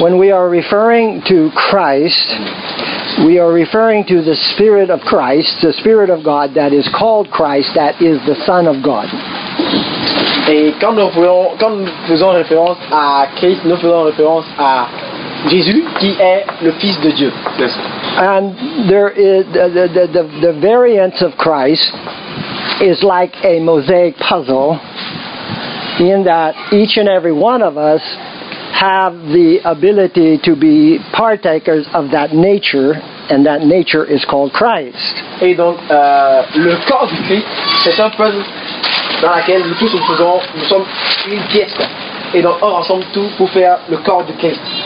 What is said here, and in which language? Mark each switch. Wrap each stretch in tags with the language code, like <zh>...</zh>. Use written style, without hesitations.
<en>When we are referring to Christ, we are referring to the Spirit of Christ, the Spirit of God that is called Christ, that is the Son of God.</en> <fr>Et quand nous faisons référence à Christ, nous faisons référence à Jésus qui est le Fils de Dieu.</fr> <en>Yes. And there is the variants of Christ is like a mosaic puzzle, in that each and every one of us have the ability to be partakers of that nature, and that nature is called Christ.</en> <fr>Et donc, le corps du Christ, c'est un puzzle dans lequel nous tous nous sommes une pièce, et donc on rassemble tout pour faire le corps du Christ.</fr>